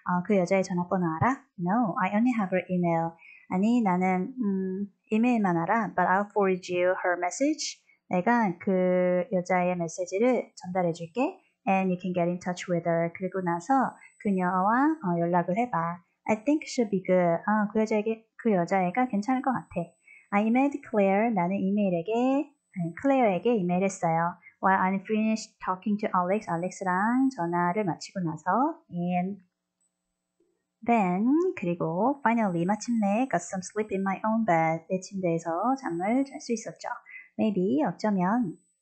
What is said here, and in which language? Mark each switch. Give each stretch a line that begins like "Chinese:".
Korean: 그 여자의 전화번호 알아?
English: No. I only have her email.
Korean: 아니, 나는, 이메일만 알아.
English: But I'll forward you her message.
Korean: 내가 그 여자의 메시지를 전달해 줄게.
English: And you can get in touch with her.
Korean: 그리고 나서 그녀와 연락을 해봐.
English: I think she'll be good.
Korean: 그 여자애가 괜찮을 것 같아.
English: I emailed Claire.
Korean: 나는 클레어에게 이메일했어요.
English: While I finished talking to Alex.
Korean: Alex랑 전화를 마치고 나서.
English: And Then,
Korean: 그리고
English: finally,
Korean: 마침내
English: got some sleep in my own bed.
Korean: 내 침대에서 잠을 잘수 있었죠.
English: Maybe,
Korean: 어쩌면.